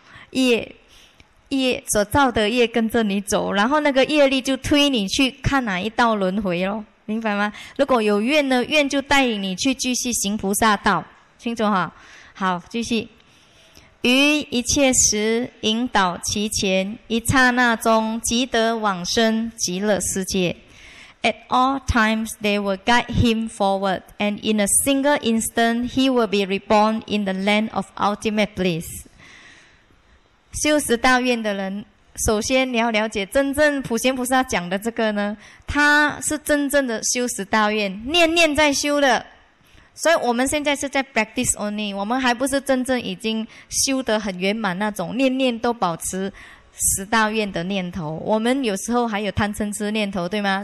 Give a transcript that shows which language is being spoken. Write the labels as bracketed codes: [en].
[zh] 业所造的业跟着你走，然后那个业力就推你去看哪一道轮回咯，明白吗？如果有愿呢，愿就带领你去继续行菩萨道。清楚哈，好，继续。于一切时引导其前，一刹那中即得往生极乐世界。 [en] At all times they will guide him forward, and in a single instant he will be reborn in the land of ultimate bliss. [zh] 修十大愿的人，首先你要了解，真正普贤菩萨讲的这个呢，他是真正的修十大愿，念念在修的。所以我们现在是在 [en] practice only， [zh] 我们还不是真正已经修得很圆满那种，念念都保持十大愿的念头，我们有时候还有贪嗔痴念头，对吗？